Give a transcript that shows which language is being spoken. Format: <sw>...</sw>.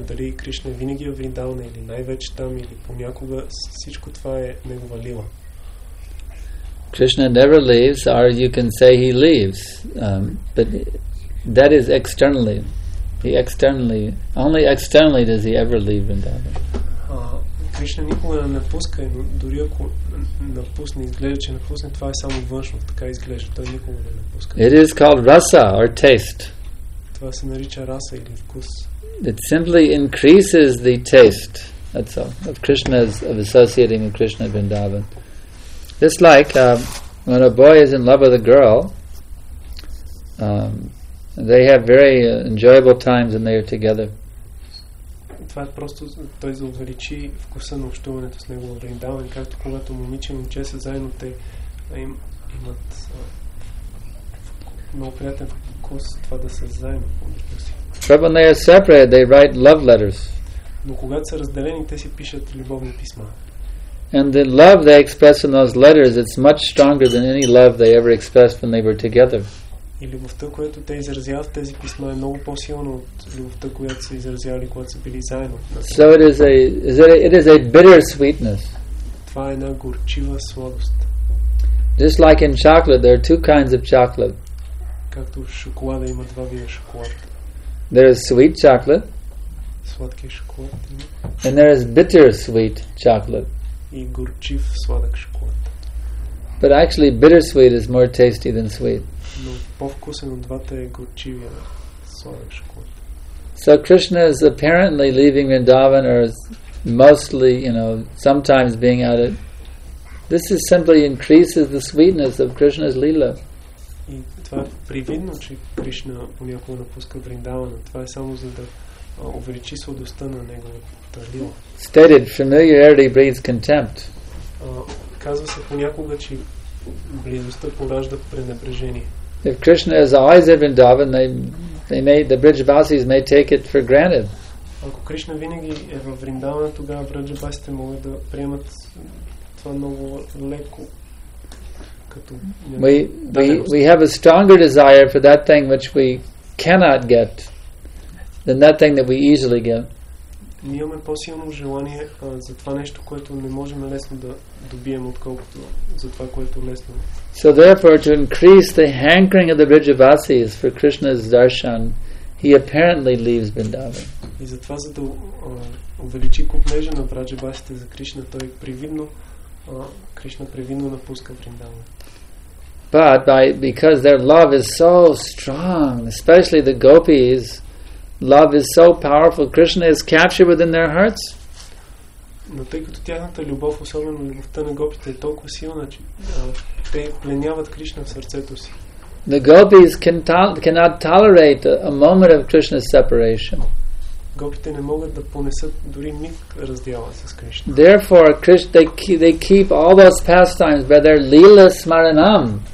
<bg>Дали Кришна винаги е в Вриндавана или най-вече там или понякога, всичко това е негова лила.</bg> <en>Krishna never leaves, or you can say he leaves, but that is externally. He externally, only externally does he ever leave Vrindavan.</en> <bg>Кришна никога не напуска, дори ако напусне, изглежда, че напусне, това е само външно, така изглежда, той никога не напуска.</bg> <en>It is called rasa or taste.</en> <bg>Това се нарича раса или вкус.</bg> <en>It simply increases the taste, that's all, of Krishna's, of associating with Krishna Vrindavan. Just like when a boy is in love with a girl, they have very enjoyable times when they are together.</en> <bg>Това е просто той да увеличи вкуса на общуването с него в Вриндаван, както когато момиче и момче са заедно, те имат много приятен вкус това да са заедно.</bg> <en>When they are separate, they write love letters.</en> <bg>Но когато са разделени, те си пишат любовни писма.</bg> <en>And the love they express in those letters, it's much stronger than any love they ever expressed when they were together.</en> <bg>И любовта, която те изразяват в тези писма, е много по-силна от любовта, която са изразявали, когато са били заедно.</bg> <en>So it is a bitter sweetness.</en> <bg>Това е една горчива сладост.</bg> <en>Just like in chocolate, there are two kinds of chocolate.</en> <bg>Както шоколада има два вида шоколад.</bg> <en>There is sweet chocolate.</en> <bg>Сладкия шоколад.</bg> <en>And there is bitter sweet chocolate.</en> <bg>И горчив сладък шоколад.</bg> <en>But actually, bitter sweet is more tasty than sweet.</en> <bg>Но по-вкусен от двата е горчивия сладък шоколад.</bg> <en>So Krishna is apparently leaving Vrindavan or is mostly, you know, sometimes being at it. This is simply increases the sweetness of Krishna's lila.</en> <bg>И това е привидно, че Кришна понякога напуска Вриндавана. Това е само за да увеличи сладостта на неговата лила.</bg> <en>Stated, familiarity breeds contempt.</en> <bg>Казва се понякога, че близостта поражда пренебрежение.</bg> <en>If Krishna is always in Vrindavan, they may, the Brijavasis may take it for granted.</en> <bg>Ако Кришна винаги е в Вриндавана, тогава Брджабасите могат да приемат това много леко. Като</bg> <en>we have a stronger desire for that thing which we cannot get than that thing that we easily get.</en> <bg>Ние имаме по-силно желание за това нещо, което не можем лесно да добием, отколкото за това, което лесно.</bg> <en>So therefore, to increase the hankering of the Brijavasis for Krishna's darshan, he apparently leaves Vrindavan.</en> <bg>И затова, за да увеличи купнежа на Брджабасите за Кришна, той привидно, Кришна привидно напуска Вриндаван.</bg> <en>But because their love is so strong, especially the gopis, love is so powerful, Krishna is captured within their hearts.</en> <bg>Но тъй като тяхната любов, особено любовта на гопите, е толкова силна, че те пленяват Кришна в сърцето си.</bg> <en>The gopis cannot tolerate a moment of Krishna's separation.</en> <bg>Гопите не могат да понесат дори миг раздяла с Кришна.</bg> <en>Therefore, they keep all those pastimes by their lila smaranam.</en>